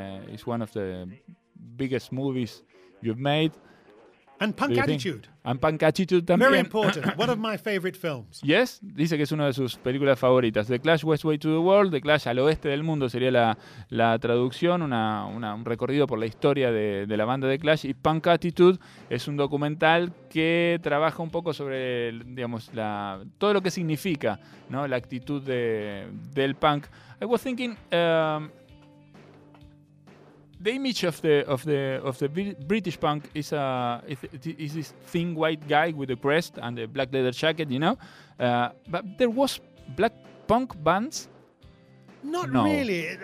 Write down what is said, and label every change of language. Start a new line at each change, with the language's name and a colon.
English: It's one of the biggest movies you've made. And Punk Attitude.
Spanish: And Punk Attitude también.
English: Very important. One of my favorite films.
Spanish: Yes, dice que es una de sus películas favoritas. The Clash, West Way to the World. The Clash, al oeste del mundo, sería la traducción. Un recorrido por la historia de la banda de Clash. Y Punk Attitude es un documental que trabaja un poco sobre, digamos, todo lo que significa, ¿no?, la actitud del punk.
English: I was thinking, the image of the British punk is this thin white guy with a crest and a black leather jacket, you know. But there was black punk bands. Not really.